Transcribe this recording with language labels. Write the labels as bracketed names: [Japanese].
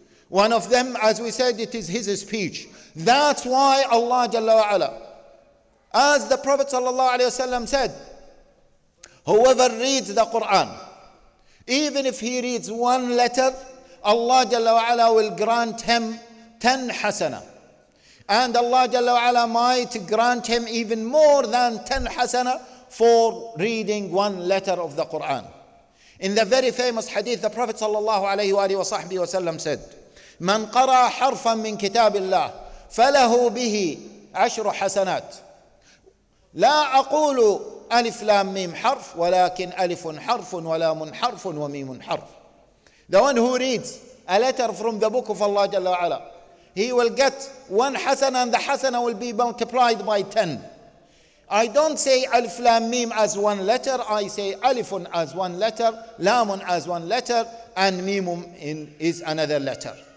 [English] One of them, as we said, it is his speech. That's why Allah Jalla wa Ala, as the Prophet Sallallahu Alaihi Wasallam said, whoever reads the Quran, even if he reads one letter, Allah Jalla wa Ala will grant him 10 hasana. And Allah Jalla wa Ala might grant him even more than 10 hasana for reading one letter of the Quran. In the very famous hadith, the Prophet Sallallahu Alaihi wa Alihi wa Sahbihi wa Sallam said, [Arabic] من قرأ حرفا من كتاب الله فله به عشر حسنات لا أقول ألف لام ميم حرف ولكن ألف حرف ولام حرف وميم حرف. [English] The one who reads a letter from the book of Allah Jalla wa Ala, he will get one hasana, and the hasana will be multiplied by 10. I don't say [Arabic] ألف لام ميم [English] as one letter. I say ألف as one letter, لام as one letter, and ميم is another letter.